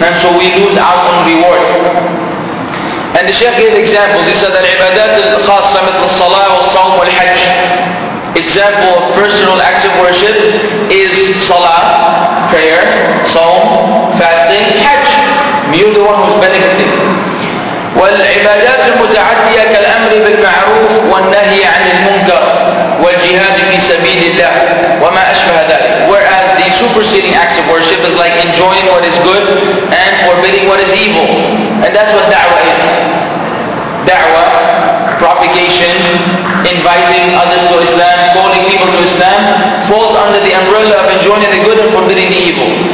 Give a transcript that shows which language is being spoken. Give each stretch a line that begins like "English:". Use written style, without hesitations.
English: And so we lose out on reward. And the Shaykh gave examples. He said that
Arabic: ibadat al-khassa mithl al-salah wal-sawm wal-hajj,
English: example of personal acts of worship, is salah, prayer, sawm, fasting, hajj. You're the one who's benefiting.
Arabic: والعبادات المتعدية كالأمر بالمعروف والنهي عن المنكر والجهاد في سبيل الله وما أشبه ذلك.
English: Whereas the superseding acts of worship is like enjoying what is good and forbidding what is evil. And that's what da'wah is. Da'wah, propagation, inviting others to Islam, calling people to Islam, falls under the umbrella of enjoying the good and forbidding the evil.